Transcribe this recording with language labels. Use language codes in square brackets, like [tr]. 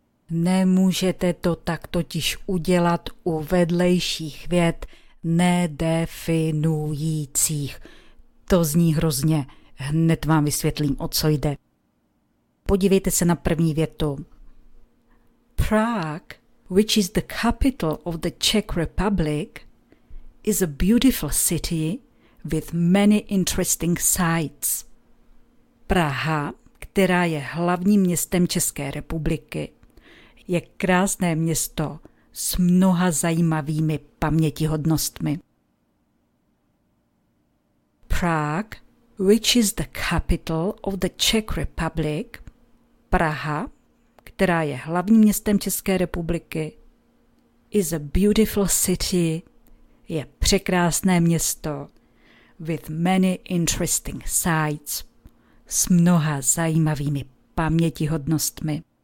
[cs] Nemůžete to tak totiž udělat u vedlejších vět nedefinujících. To zní hrozně. Hned vám vysvětlím, o co jde. Podívejte se na první větu. [en] Prague, which is the capital of the Czech Republic, is a beautiful city with many interesting sights. [cs] Praha, která je hlavním městem České republiky, je krásné město s mnoha zajímavými pamětihodnostmi. [en] Prague, which is the capital of the Czech Republic, [cs] Praha, která je hlavním městem České republiky, [en] is a beautiful city, [cs] je překrásné město, [en] with many interesting sights, [cs] s mnoha zajímavými pamětihodnostmi.